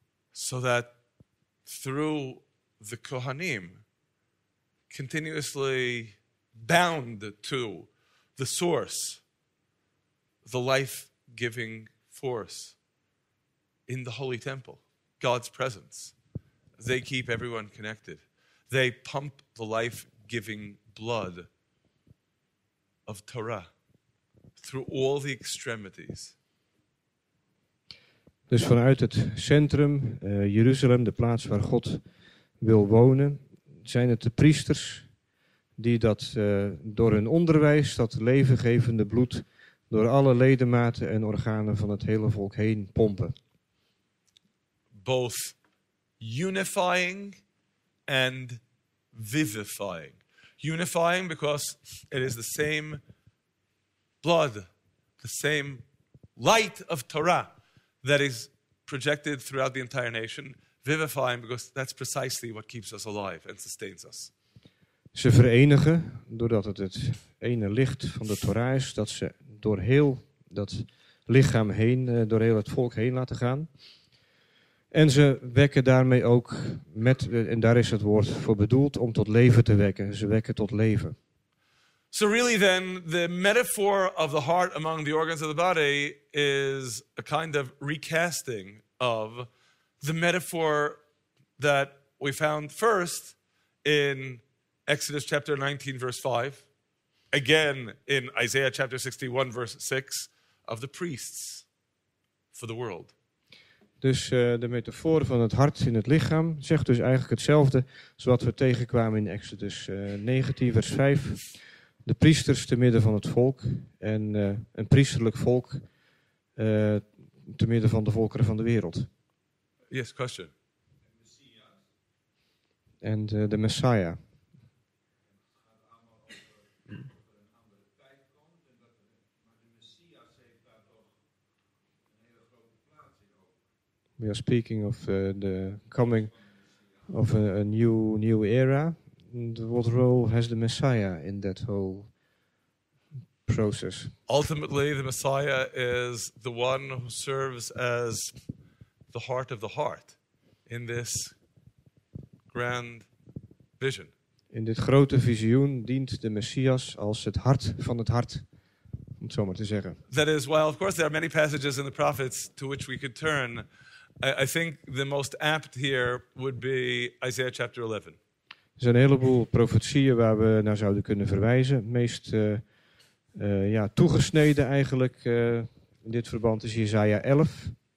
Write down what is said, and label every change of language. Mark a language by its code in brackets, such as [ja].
[en] So that through the Kohanim, continuously bound to the source, the life-giving force in the Holy Temple, God's presence, they keep everyone connected. They pump the life-giving blood of Torah through all the extremities. [nl] Dus vanuit het centrum, Jeruzalem, de plaats waar God wil wonen, zijn het de priesters die dat door hun onderwijs, dat levengevende bloed, door alle ledematen en organen van het hele volk heen pompen. [en] Both unifying and vivifying. Unifying because it is the same blood, the same light of Torah that is projected throughout the entire nation. Vivifying because that's precisely what keeps us alive and sustains us. [nl] Ze verenigen doordat het ene licht van de Torah is dat ze door heel dat lichaam heen, door heel het volk heen laten gaan. En ze wekken daarmee ook, met, en daar is het woord voor bedoeld, om tot leven te wekken. Ze wekken tot leven. [en] So really then, the metaphor of the heart among the organs of the body is a kind of recasting of the metaphor that we found first in Exodus chapter 19, verse 5, again in Isaiah chapter 61, verse 6, of the priests for the world. [nl] Dus de metafoor van het hart in het lichaam zegt dus eigenlijk hetzelfde als wat we tegenkwamen in Exodus 19, vers 5. De priesters te midden van het volk en een priesterlijk volk te midden van de volkeren van de wereld. [en] Yes, question. [nl] En de Messiah. [en] We are speaking of the coming of a new era. And what role has the Messiah in that whole process? Ultimately, the Messiah is the one who serves as the heart of the heart in this grand vision. [nl] In dit grote visioen dient de Messias als het hart van het hart. Om het zo maar te zeggen. [en] That is, well, of course, there are many passages in the prophets to which we could turn. I think the most apt here would be Isaiah chapter 11. [nl] Er zijn een heleboel profetieën waar we naar zouden kunnen verwijzen. Meest toegesneden eigenlijk in dit verband is Isaiah 11.